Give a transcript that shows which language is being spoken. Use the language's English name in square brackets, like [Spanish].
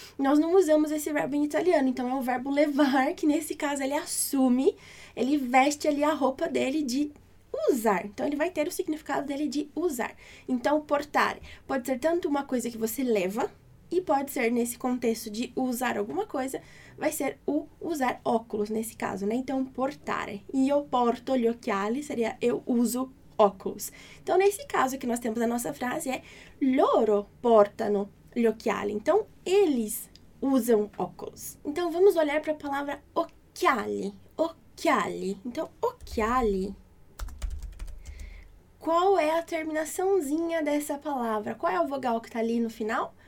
[Portuguese] Nós não usamos esse verbo em italiano, então é o verbo levar, que nesse caso ele assume, ele veste ali a roupa dele de usar. Então, ele vai ter o significado dele de usar. Então, portare pode ser tanto uma coisa que você leva. E pode ser nesse contexto de usar alguma coisa, vai ser o usar óculos nesse caso, né? Então, portare. [Italian] Io porto gli occhiali [Portuguese] seria eu uso óculos. Então, nesse caso que nós temos a nossa frase é [Italian] loro portano gli occhiali. [Portuguese] Então, eles usam óculos. Então, vamos olhar para a palavra occhiali. [Italian] Occhiali. Então, occhiali. [Portuguese] Qual é a terminaçãozinha dessa palavra? Qual é o vogal que está ali no final?